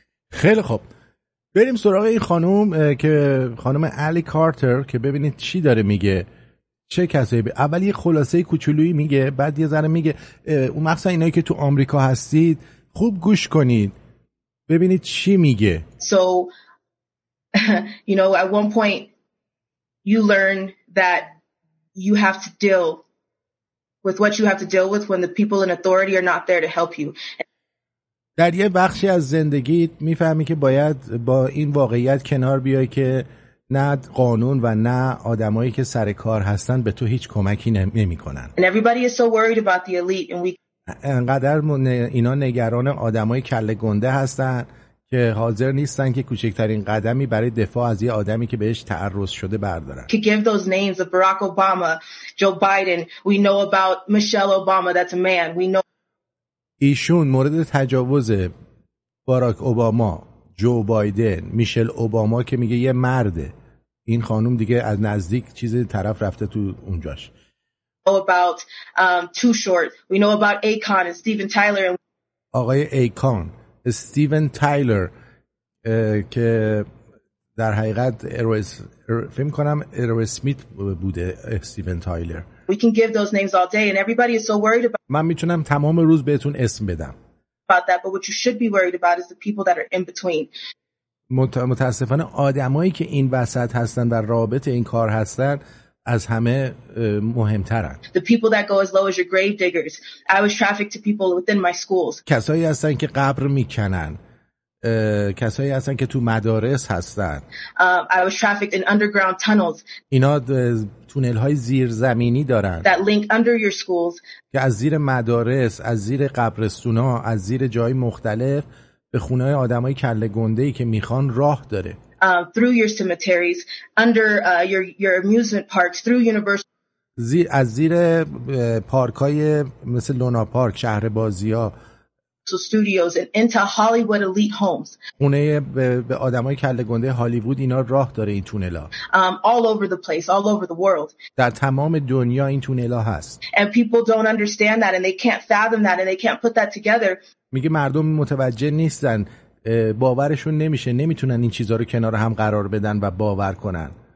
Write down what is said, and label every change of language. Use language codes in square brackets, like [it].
[fa] خیلی خوب بریم سراغ این خانوم که خانوم الی کارتر که ببینید چی داره میگه چه کسایی اول یه خلاصه کوچولویی میگه بعد یه ذره میگه اون مخصوصا اینایی که تو آمریکا هستید خوب گوش کنید ببینید چی میگه. [en] So you know at one point you learn that you have to deal with what you have to deal with when the people in authority are not there to help you. [fa] در یه بخشی از زندگیت میفهمی که باید با این واقعیت کنار بیای که نه قانون و نه آدمایی که سر کار هستن به تو هیچ کمکی نمی‌کنن. [en] And everybody is so worried about the elite and we [fa] انقدر اینا نگران آدمای کله گنده هستن که حاضر نیستن که کوچکترین قدمی برای دفاع از یه آدمی که بهش تعرض شده بردارن. [en] Could give those names of Barack Obama, Joe Biden, we know about Michelle Obama, that's a man. We know [fa] ایشون مورد تجاوز باراک اوباما، جو بایدن، میشل اوباما که میگه یه مرده. این خانم دیگه از نزدیک چیز طرف رفته تو اونجاش. [en] About too short. We know about Akon and Steven Tyler. [fa] آقای ایکان، استیون تایلر که در حقیقت ایرو اسمیت بوده استیون تایلر. [en] We can give those names all day and everybody is so worried about [fa] من میتونم تمام روز بهتون اسم بدم. [en] About that, but what you should be worried about is the people that are in between. [fa] متاسفانه آدمایی که این وسط هستن و رابطه این کار هستن از همه مهمترن. [en] The people that go as low as your grave diggers. I was trafficked to people within my schools. [fa] کسایی هستن که قبر میکنن. کسایی هستن که تو مدارس هستن. [en] I was trafficked in underground tunnels. [fa] اینا تونل‌های زیرزمینی دارن. [en] That link under your schools. [fa] که از زیر مدارس، از زیر قبرستون‌ها، از زیر جای مختلف به خونه‌های آدمای کله گنده‌ای که میخوان راه داره. [en] Through your cemeteries, under your amusement parks, through university. [fa] از زیر پارک‌های مثل لونا پارک، شهر بازی‌ها. [en] So studios and into Hollywood elite homes. [fa] اونه به آدمای کله گنده هالیوود اینا راه داره این تونلا. [en] All over the place, all over the world. [fa] در تمام دنیا این تونلا هست. [en] And people don't understand that and they can't fathom that and they can't put that together. [fa] میگه مردم متوجه نیستن، باورشون نمیشه، نمیتونن این چیزا رو کنار هم قرار بدن و باور کنن.